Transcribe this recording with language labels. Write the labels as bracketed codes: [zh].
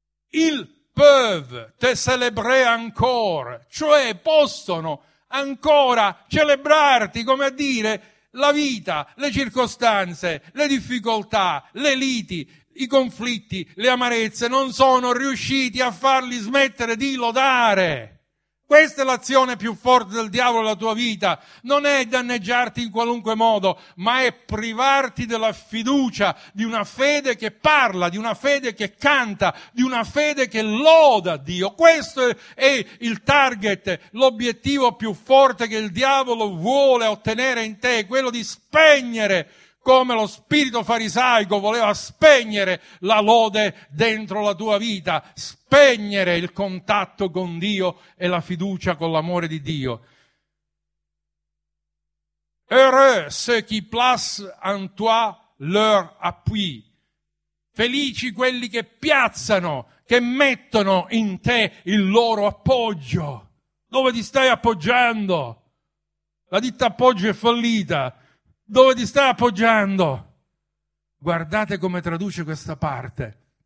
[fr] Ils peuvent te célébrer encore. [it] Cioè possono ancora celebrarti, come a dire, la vita, le circostanze, le difficoltà, le liti, i conflitti, le amarezze, non sono riusciti a farli smettere di lodare. Questa è l'azione più forte del diavolo nella tua vita. Non è danneggiarti in qualunque modo, ma è privarti della fiducia, di una fede che parla, di una fede che canta, di una fede che loda Dio. Questo è il target, l'obiettivo più forte che il diavolo vuole ottenere in te, quello di spegnere, come lo spirito farisaico voleva spegnere la lode dentro la tua vita, spegnere il contatto con Dio e la fiducia con l'amore di Dio. [fr] Heureux ceux qui placent en toi leur appui. [it] Felici quelli che piazzano, che mettono in te il loro appoggio. Dove ti stai appoggiando? La ditta appoggio è fallita. Dove ti stai appoggiando? Guardate come traduce questa parte.